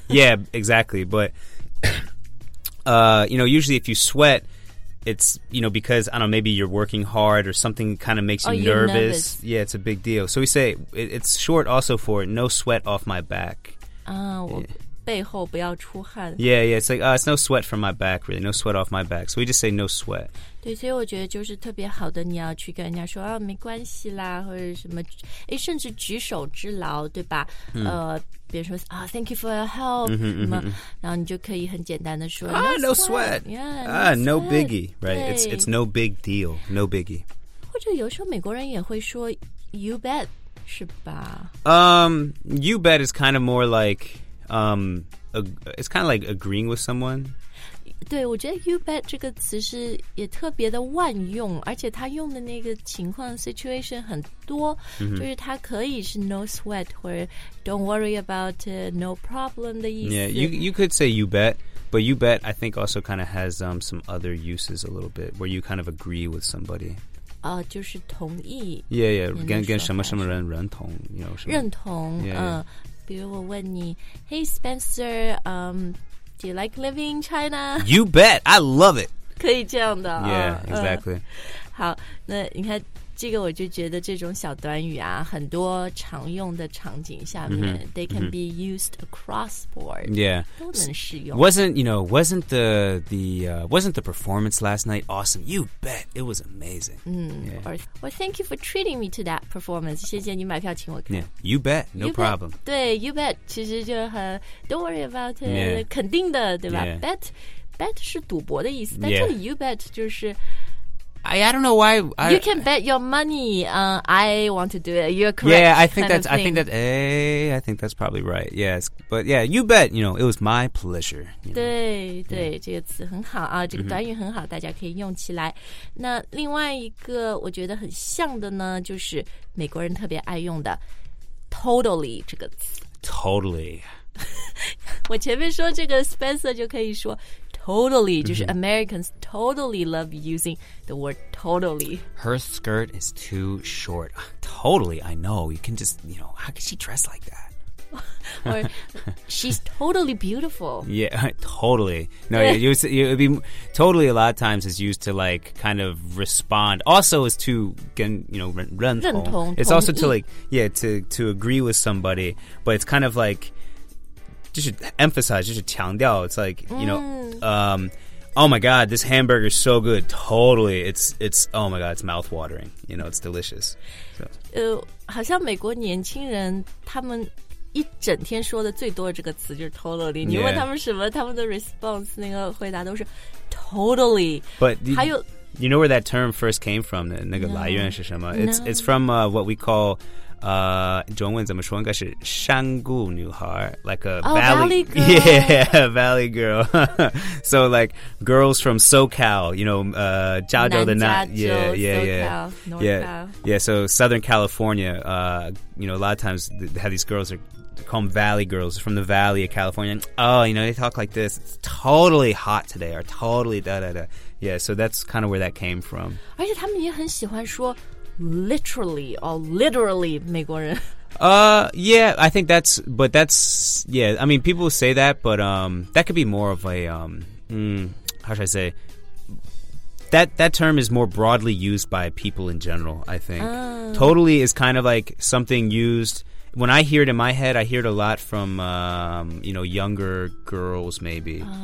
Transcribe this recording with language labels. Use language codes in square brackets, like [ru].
[en] Yeah, exactly, but, you know, usually if you sweat, it's, you know, because, I don't know, maybe you're working hard or something kind of makes you nervous. Yeah, it's a big deal. So we say, it's short also for no sweat off my back. Yeah. [zh] 背后不要出汗 [en] Yeah, yeah, it's like, it's no sweat from my back, really, no sweat off my back. So we just say no sweat. [zh] 对，所以我觉得就是特别好的，你要去跟人家说啊，没关系啦，或者什么，哎，甚至举手之劳，对吧？比如说啊 ， [en] Thank you for your help， [zh] 然后你就可以很简单的说啊 [en] ，No sweat， yeah， no biggie， right？ It's no big deal， no biggie。 [zh] 或者有时候美国人也会说 ， [en] You bet， [zh] 是吧 [en] ？You bet is kind of more like it's kind of like agreeing with someone。 [zh] 对，我觉得 you bet 这个词是也特别的万用，而且它用的那个情况 situation 很多，就是它可以是 no sweat 或者 [en] don't worry about it, no problem [zh] 的意思。 [en] Yeah, you could say you bet, but you bet I think also kind of has some other uses a little bit where you kind of agree with somebody. [zh] 就是同意。 [en] Yeah, yeah, [zh] 跟什么什么人认同， [en] you know, [zh] 什么认同。比如我问你 [en] ，Hey Spencer, Do you like living in China? You bet. I love it. [zh] 可以这样的。 [en] Yeah, exactly. [zh] 好，那你看这个我就觉得这种小短语啊，很多常用的场景下面、 [en] they can be used across board. Yeah. [zh] 都能适用。 [en] Wasn't the performance last night awesome? You bet. It was amazing. Well, thank you for treating me to that performance. [zh] 谢谢你买票请我看。 [en] Yeah, you bet. No you problem. Bet, 对 ,you bet. [zh] 其实就很 [en] don't worry about it. Yeah. [zh] 肯定的对吧、 [en] yeah. [zh] Bet 是赌博的意思。 [en] Yeah. [zh] 但这里 [en] you bet [zh] 就是 [en] I don't know why. You can bet your money. I want to do it. You're correct. Yeah, I think that's probably right. Yes, but yeah, you bet. You know, it was my pleasure. [zh] 对对，这个词很好啊，这个短语很好，大家可以用起来。那另外一个我觉得很像的呢，就是美国人特别爱用的 "totally" 这个词。 [en] Totally. [zh] 我前面说这个 Spencer 就可以说 [en] totally, [zh] 就是 [en] Americans totally love using the word totally. Her skirt is too short. Totally, I know. You can just, you know, how could she dress like that? Or, she's totally beautiful. Yeah, totally. No, it'd be totally a lot of times is used to like kind of respond. Also, is to, you know, [zh] 认同 [en] It's also to like, yeah, to agree with somebody. But it's kind of like, just emphasize, just [zh] 强调. [en] It's like, you know, oh my God, this hamburger is so good. Totally. It's oh my God, it's mouthwatering. You know, it's delicious. So. [zh] 好像美国年轻人他们一整天说的最多的这个词就是 totally、 [en] yeah. [zh] 你问他们什么他们的 response 那个回答都是 totally [en] but [zh] 还有 [en] you know where that term first came from [zh] 那个来源是什么 [en] no, it's, no. it's from、what we call、 [zh] 中文怎么说应该是山谷女孩 [en] like a valley girl yeah valley girl so like girls from SoCal you know [zh] 加州的那 [en] yeah so Southern California、you know a lot of times they have these girls areCall them Valley Girls from the Valley of California. Oh, you know, they talk like this. It's totally hot today or totally da-da-da. Yeah, so that's kind of where that came from. [zh] 而且他们也很喜欢说 [en] literally or literally [zh] 美国人。 [en] Yeah, I think that's, but that's, yeah, I mean, people say that, but that could be more of a, how should I say, that term is more broadly used by people in general, I think. Totally is kind of like something used... When I hear it in my head, I hear it a lot from, you know, younger girls, maybe.